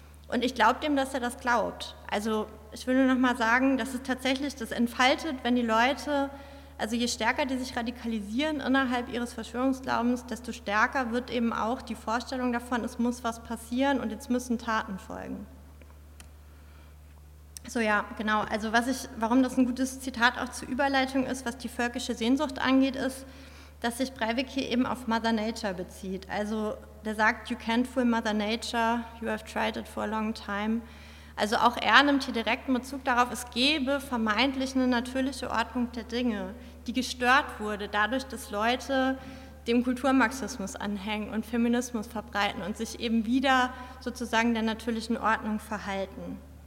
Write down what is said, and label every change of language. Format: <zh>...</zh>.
<de>Und ich glaube dem, dass er das glaubt. Also ich will nur noch mal sagen, dass es tatsächlich das entfaltet, wenn die Leute, also je stärker die sich radikalisieren innerhalb ihres Verschwörungsglaubens, desto stärker wird eben auch die Vorstellung davon, es muss was passieren und jetzt müssen Taten folgen. So, ja, genau. Also warum das ein gutes Zitat auch zur Überleitung ist, was die völkische Sehnsucht angeht, ist, dass sich Breivik hier eben auf Mother Nature bezieht. Also der sagt,</de> <en>you can't fool Mother Nature, you have tried it for a long time.</en> <de>Also auch er nimmt hier direkten Bezug darauf, es gäbe vermeintlich eine natürliche Ordnung der Dinge, die gestört wurde dadurch, dass Leute dem Kulturmarxismus anhängen und Feminismus verbreiten und sich eben wieder sozusagen der natürlichen Ordnung verhalten.</de>